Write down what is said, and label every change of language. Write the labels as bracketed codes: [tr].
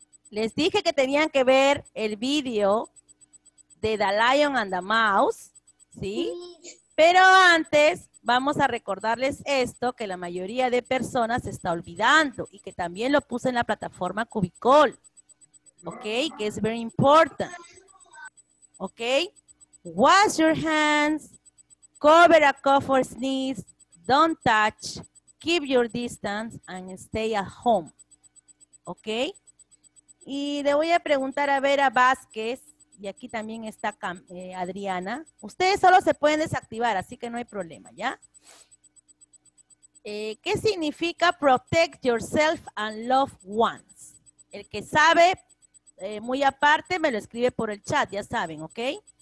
[es] les dije que tenían que ver el video de The Lion and the Mouse, ¿sí? Pero antes... Vamos a recordarles esto que la mayoría de personas se está olvidando y que también lo puse en la plataforma Cubicol, ¿ok? Que es [en] very important, [es] ¿ok? [en] Wash your hands, cover a cough or sneeze, don't touch, keep your distance and stay at home, ¿ok? [es] Y le voy a preguntar a Vera Vázquez, y aquí también está Adriana. Ustedes solo se pueden desactivar, así que no hay problema, ¿ya? ¿Qué significa [en] protect yourself and loved ones? [es] El que sabe, muy aparte, me lo escribe por el chat, ya saben, ¿ok?